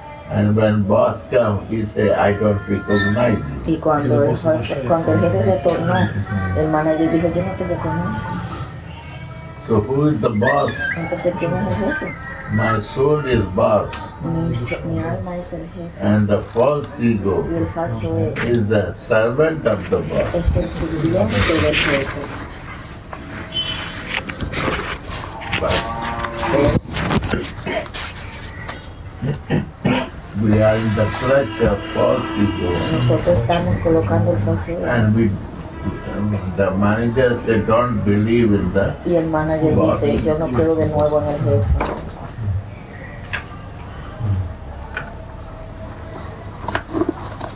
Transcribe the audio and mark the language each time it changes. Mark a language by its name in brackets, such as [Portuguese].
[English] And when boss comes, he say, I don't recognize you. [Spanish] Y cuando el jefe retornó, el manager dijo, yo no te reconozco. [English] So who is the boss? [Spanish] Entonces, ¿quién es el jefe? [English] My soul is boss. [Spanish] Mi alma es el jefe. [English] And the false ego is the servant of the boss. [Spanish] Es el sirviente del jefe. [English] We are in the clutch of false ego. [Spanish] Nosotros estamos colocando el falso ego. [English] And we, the manager say, don't believe in the body. [Spanish] Y el manager dice, yo no creo de nuevo en el jefe.